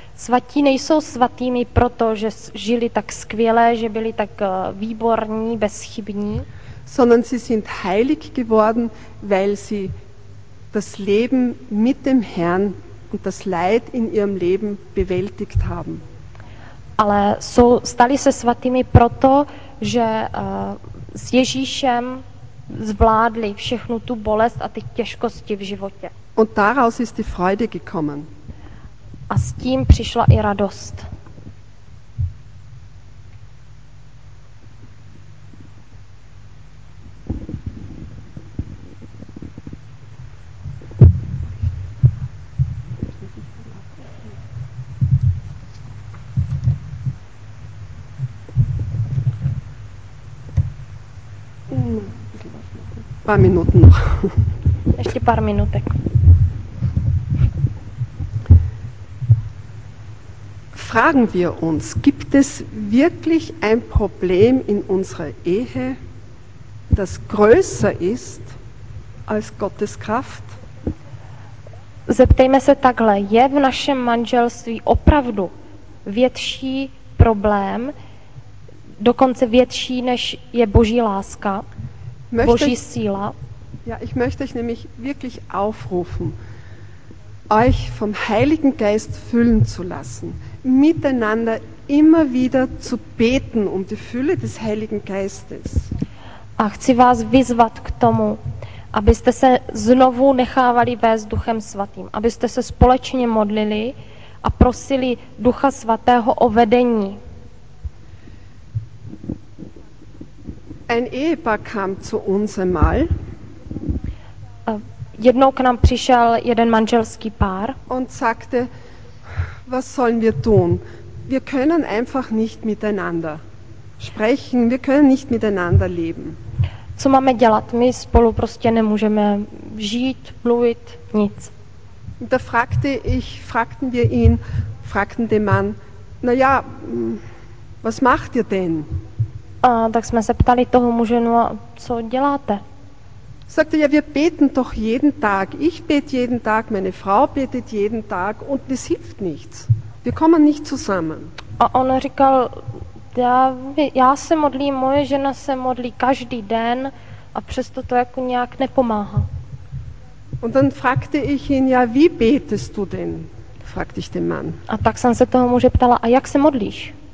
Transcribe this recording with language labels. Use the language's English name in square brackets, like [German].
[Czech] Svatí nejsou svatými proto, že žili tak skvěle, že byli tak výborní, bezchybní. [German] Sondern sie sind heilig geworden, weil sie das Leben mit dem Herrn und das Leid in ihrem Leben bewältigt haben. [Czech] Ale jsou, stali se svatými proto, že s Ježíšem zvládli všechnu tu bolest a ty těžkosti v životě. [German] Und daraus ist die Freude gekommen. [Czech] A s tím přišla i radost. Pár minut noch. Ještě pár minutek. [German] Fragen wir uns, gibt es wirklich ein Problem in unserer Ehe, das größer ist als Gottes Kraft? [Czech] Zeptejme se takhle, je v našem manželství opravdu větší problém, dokonce větší než je Boží láska, Boží síla? [German] Ja, ich möchte euch nämlich wirklich aufrufen. euch vom Heiligen Geist füllen zu lassen, miteinander immer wieder zu beten um die Fülle des Heiligen Geistes. [Czech] A chci vás vyzvat k tomu, abyste se znovu nechávali vést Duchem Svatým, abyste se společně modlili a prosili Ducha Svatého o vedení. [German] Ein Ehepaar kam zu uns einmal. [Czech] Jednou k nám přišel jeden manželský pár. [German] Und sagte, was sollen wir tun? Wir können einfach nicht miteinander sprechen, wir können nicht miteinander leben. [Czech] Co máme dělat? My spolu prostě nemůžeme žít, mluvit, nic. [German] Da fragte ich, fragten den Mann, na ja, was macht ihr denn? [Czech] A tak jsme se ptali toho muže, no a co děláte? [German] Sagte, ja, wir beten doch jeden Tag. Ich bete jeden Tag, meine Frau betet jeden Tag und es hilft nichts. Wir kommen nicht zusammen. [Czech] A on říkal, já se modlím, moje žena se modlí každý den a přesto to jako nějak nepomáhá. [German] Und dann fragte ich ihn, ja, wie betest du denn? Fragte ich den Mann. [Czech] A tak jsem se toho muže ptala, a jak se modlíš?